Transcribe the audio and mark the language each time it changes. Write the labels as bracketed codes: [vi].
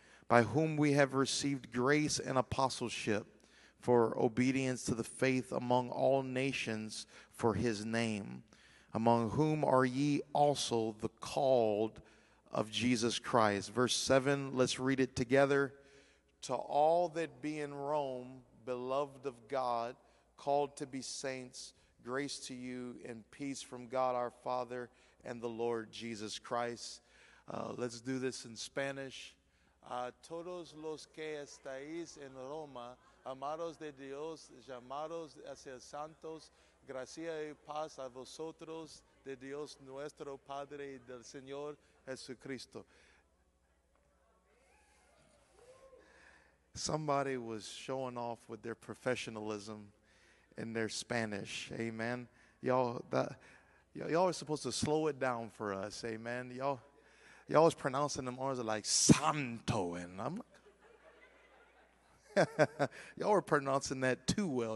[en] by whom we have received grace and apostleship for obedience to the faith among all nations for his name, among whom are ye also the called of Jesus Christ. Verse 7, let's read it together. To all that be in Rome, beloved of God, called to be saints, grace to you and peace from God our Father and the Lord Jesus Christ. Let's do this in Spanish. [es] A todos los que estáis en Roma, amados de Dios, llamados hacia santos, gracias y paz a vosotros de Dios nuestro Padre y del Señor Jesucristo. [en] Somebody was showing off with their professionalism in their Spanish. Amen. Y'all are supposed to slow it down for us. Amen. Y'all was pronouncing them always like Santo, and I'm like, y'all were pronouncing that too well.